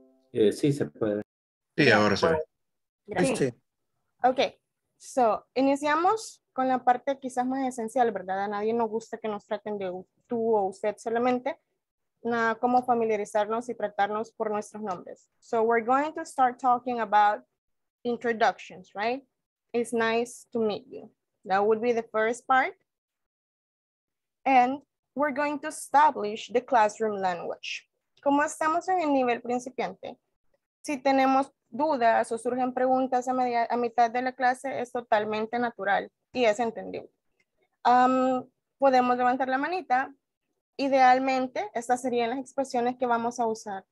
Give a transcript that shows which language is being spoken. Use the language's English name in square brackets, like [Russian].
[Spanish] Sí, se puede. Sí, ahora se ve. Gracias. Ok, so, iniciamos con la parte quizás más esencial, ¿verdad? A nadie nos gusta que nos traten de tú o usted solamente. Nada como familiarizarnos y tratarnos por nuestros nombres. [English] So we're going to start talking about introductions, right? It's nice to meet you. That would be the first part. And we're going to establish the classroom language. [Spanish] Como estamos en el nivel principiante, si tenemos dudas o surgen preguntas a mitad de la clase, es totalmente natural y es entendible. Podemos levantar la manita. Idealmente, estas serían las expresiones que vamos a usar.